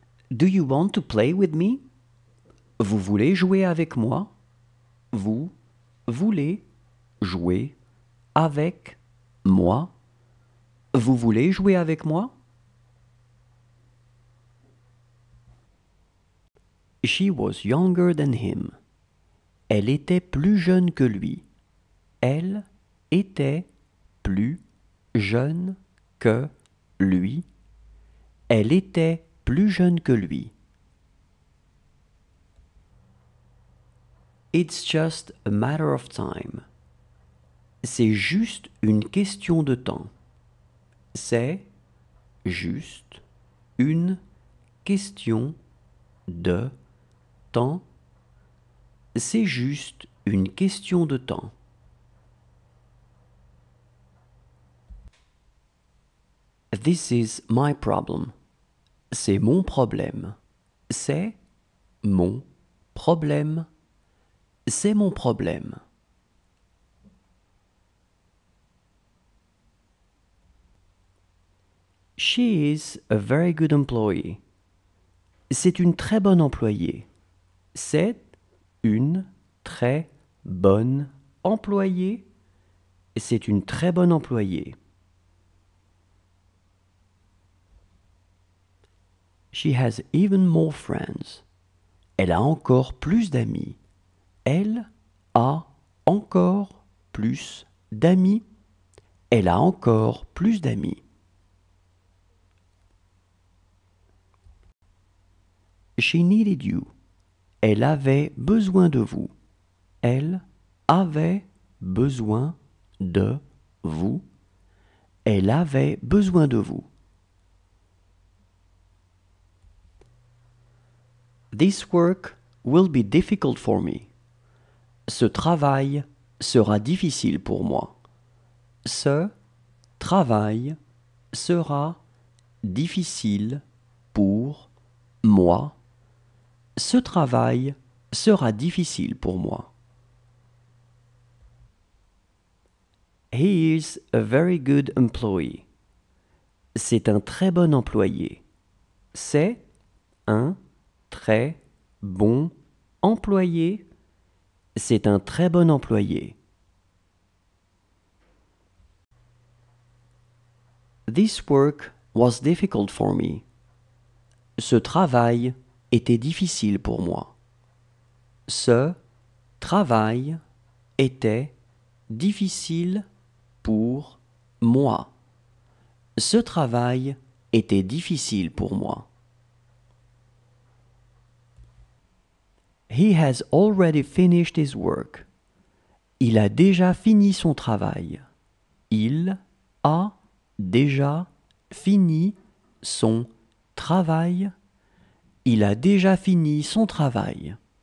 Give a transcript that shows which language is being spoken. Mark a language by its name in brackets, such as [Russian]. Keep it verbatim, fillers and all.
[English] Do you want to play with me? [French] Vous voulez jouer avec moi? Vous voulez jouer avec moi? Vous voulez jouer avec moi? [English] She was younger than him. [French] Elle était plus jeune que lui. Elle était plus jeune que lui. Elle était plus jeune que lui. [English] It's just a matter of time. [French] C'est juste une question de temps. C'est juste une question de temps. C'est juste une question de temps. [English] This is my problem. [French] C'est mon problème. C'est mon problème. C'est mon problème. [English] She is a very good employee. [French] C'est une très bonne employée. C'est une très bonne employée. C'est une très bonne employée. [English] She has even more friends. [French] Elle a encore plus d'amis. Elle a encore plus d'amis. Elle a encore plus d'amis. [English] She needed you. [French] Elle avait besoin de vous. Elle avait besoin de vous. Elle avait besoin de vous. [English] This work will be difficult for me. [French] Ce travail sera difficile pour moi. Ce travail sera difficile pour moi. Ce travail sera difficile pour moi. [English] He is a very good employee. [French] C'est un très bon employé. C'est un très bon employé. C'est un très bon employé. [English] This work was difficult for me. [French] Ce travail était difficile pour moi. Ce travail était difficile pour moi. Ce travail était difficile pour moi. [English] He has already finished his work. [French] Il a déjà fini son travail. Il a déjà fini son travail. Il a déjà fini son travail.